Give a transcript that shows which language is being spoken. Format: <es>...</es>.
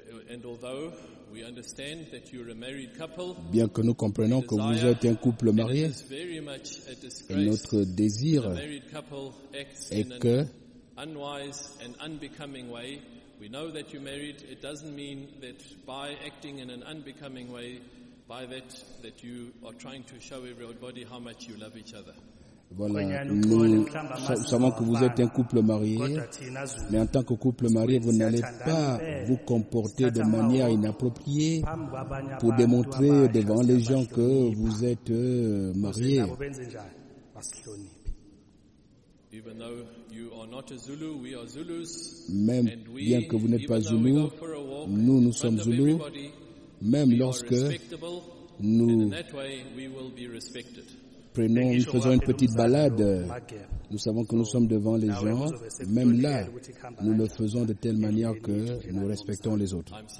<en>And although we understand that you're a married couple,</en> <fr>bien que nous comprenons que vous êtes un couple marié, et notre désir est que</fr> <en>unwise and unbecoming way, we know that you're married. It doesn't mean that by acting in an unbecoming way, by that you are trying to show everybody how much you love each other.</en> <fr>Voilà, nous savons que vous êtes un couple marié, mais en tant que couple marié, vous n'allez pas vous comporter de manière inappropriée pour démontrer devant les gens que vous êtes marié. Même bien que vous n'êtes pas Zulu, nous sommes Zulu, même lorsque nous faisons une petite balade, nous savons que nous sommes devant les gens, même là, nous le faisons de telle manière que nous respectons les autres.</fr>